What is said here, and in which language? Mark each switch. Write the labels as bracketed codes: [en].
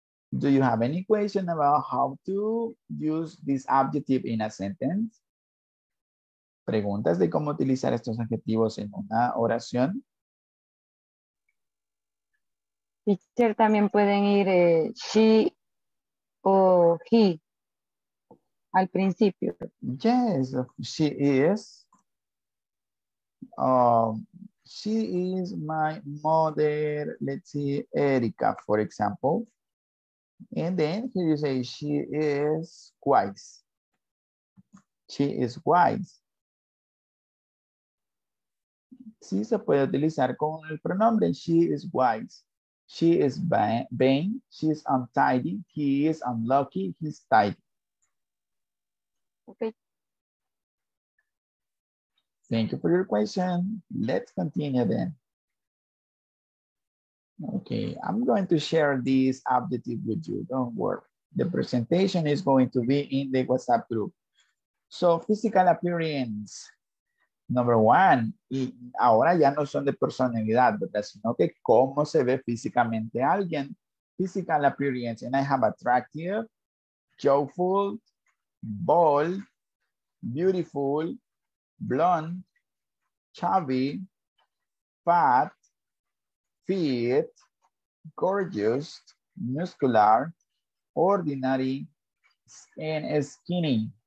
[en] Do you have any question about how to use this adjective in a sentence? [es] ¿Preguntas de cómo utilizar estos adjetivos en una oración? Teacher, también pueden ir [en] she o he. [es] Al principio. [en] Yes, she is. She is my mother. Let's see, Erica, for example. And then here you say she is wise. She is wise. [es] Sí, se puede utilizar con el pronombre. [en] She is wise. She is vain. She is untidy. He is unlucky. He's tidy. Okay. Thank you for your question. Let's continue then. Okay, I'm going to share this adjective with you. Don't worry. The presentation is going to be in the WhatsApp group. So, physical appearance. Number one, [es] y ahora ya no son de personalidad, ¿verdad? Sino que cómo se ve físicamente alguien. [en] Physical appearance. And I have attractive, joyful, bold, beautiful, blonde, chubby, fat, fit, gorgeous, muscular, ordinary, and skinny.